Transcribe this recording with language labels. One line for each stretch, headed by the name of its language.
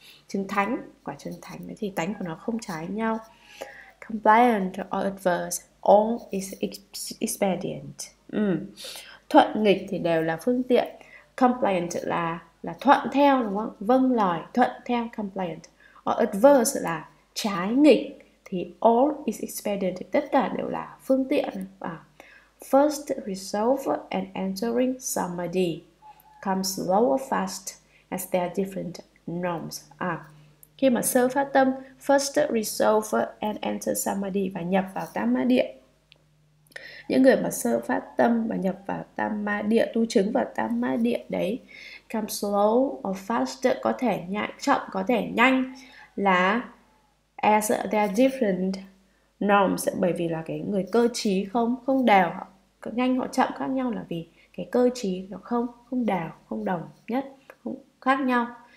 Vietnamese: Chứng thánh, quả chứng thánh thì tánh của nó không trái nhau. Compliant or adverse, all is expedient. Thuận nghịch thì đều là phương tiện. Compliant là thuận theo, đúng không? Vâng lời, thuận theo. Compliant or adverse là trái nghịch, thì all is expedient, thì tất cả đều là phương tiện.
English: First resolve and entering samadhi comes slow or fast as they are different norms.
Vietnamese: À, khi mà sơ phát tâm, first resolve and enter samadhi và nhập vào tamma địa. Những người mà sơ phát tâm và nhập vào tamma địa, tu chứng vào tamma địa đấy, come slow or fast, có thể nhạy, chậm, có thể nhanh, là as they are different norms, bởi vì là cái người cơ trí không đều, họ nhanh họ chậm khác nhau là vì cái cơ trí nó không đều, không đồng nhất, không khác nhau.